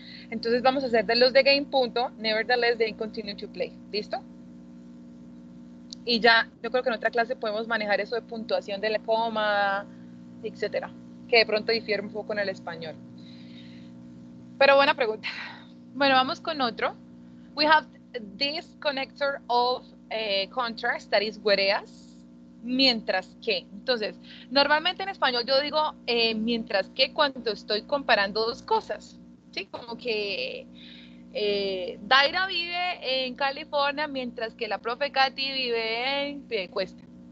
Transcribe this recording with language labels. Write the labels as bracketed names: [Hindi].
[Spanish] Entonces, vamos a hacer de los de game punto, [English] nevertheless, they continue to play. [Spanish] ¿Listo? Y ya, yo creo que en otra clase podemos manejar eso de puntuación de la coma, etcétera, que de pronto difiere un poco en el español. Pero buena pregunta. Bueno, vamos con otro. [English] We have this connector of contrast, that is whereas. [Spanish] Mientras que, entonces, normalmente en español yo digo mientras que cuando estoy comparando dos cosas, ¿sí? Como que Daira vive en California mientras que la profe Katy vive en Piedecuesta.